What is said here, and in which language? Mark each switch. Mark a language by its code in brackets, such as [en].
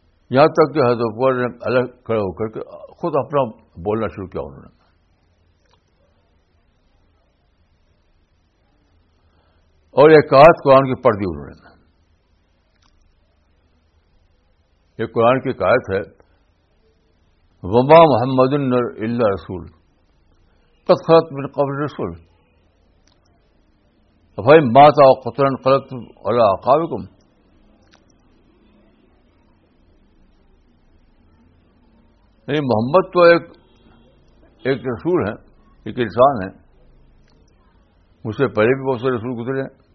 [ur] یہاں تک کہ حضرت عمر نے الگ کھڑے ہو کر کے خود اپنا بولنا شروع کیا انہوں نے. اور یہ کہا قرآن کی پڑھ دی انہوں نے. یہ قرآن کی کہایت ہے, [ar] وما محمد الا رسول قد خلت من قبل رسول فإن مات أو قتل انقلبتم على أعقابكم. [ur] یعنی محمد تو ایک رسول ہے, ایک انسان ہے, اس سے پہلے بھی بہت سے رسول گزرے ہیں.